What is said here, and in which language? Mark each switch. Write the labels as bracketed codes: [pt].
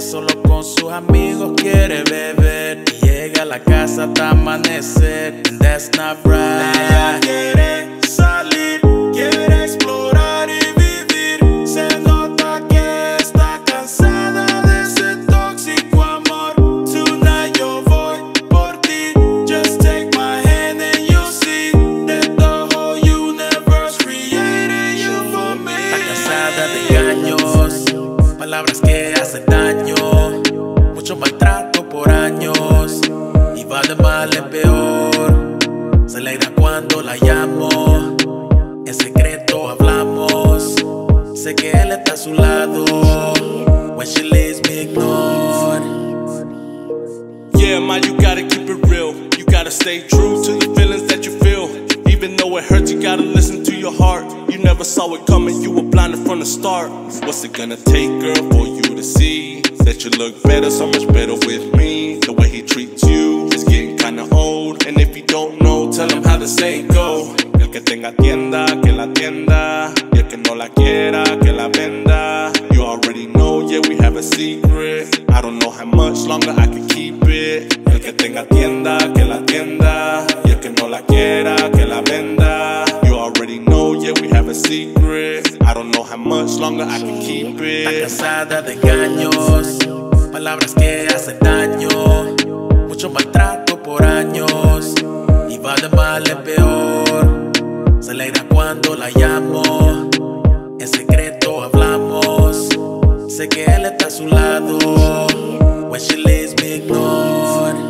[es] Solo con sus amigos quiere beber. Llega a la casa hasta amanecer. [en] And that's not right. [es] Ella quiere salir, quiere explorar y vivir. Se nota que está cansada de ese tóxico amor. [en] Tonight [es] yo voy por ti. [en] Just take my hand and you'll see that the whole universe created you for me. [es] Está cansada de engaños, palabras que hacen daño. Mucho maltrato por años, va de mal en peor. Se alegra cuando la llamo, en secreto hablamos. Sé que él está a su lado, when she leaves me ignore. [en] Yeah, ma, you gotta keep it real. You gotta stay true to the feelings that you feel. Even though it hurts, you gotta listen to your heart. You never saw it coming, you were blinded from the start. What's it gonna take, girl, for you to see that you look better, so much better with me? The way he treats you, kinda old. And if you don't know, tell him how to say go. [es] El que tenga tienda, que la tienda. Y el que no la quiera, que la venda. [en] You already know, yeah, we have a secret. I don't know how much longer I can keep it. [es] El que tenga tienda, que la tienda. Y el que no la quiera, que la venda. [en] You already know, yeah, we have a secret. I don't know how much longer I can keep it. [es] Está cansada de engaños, palabras que hacen daño. Mucho maltrato por años, y va de mal en peor. Se alegra cuando la llamo, en secreto hablamos. Sé que él está a su lado, [en] when she leaves me ignore.